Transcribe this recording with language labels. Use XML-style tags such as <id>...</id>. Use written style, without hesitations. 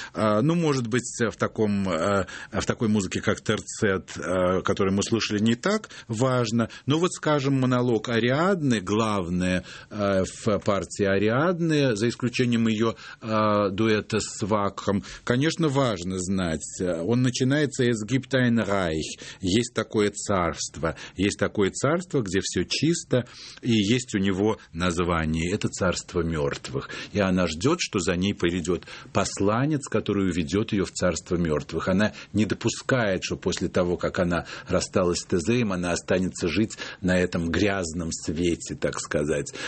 <ru>Ну, может быть, в такой музыке, как терцет, который мы слышали, не так важно. Но вот, скажем, монолог Ариадны, главное в партии Ариадны, за исключением ее дуэта с Вакхом, конечно, важно знать. Он начинается</ru> <de>«Es gibt ein Reich».</de> <ru>Есть такое царство. Есть такое царство, где все чисто, и есть у него название. Это царство мертвых. И она ждет, что за ней придет посланец, который уведет ее в царство мертвых. Она не допускает, что после того, как она рассталась с Тезеем, она останется жить на этом грязном свете, так сказать.</ru>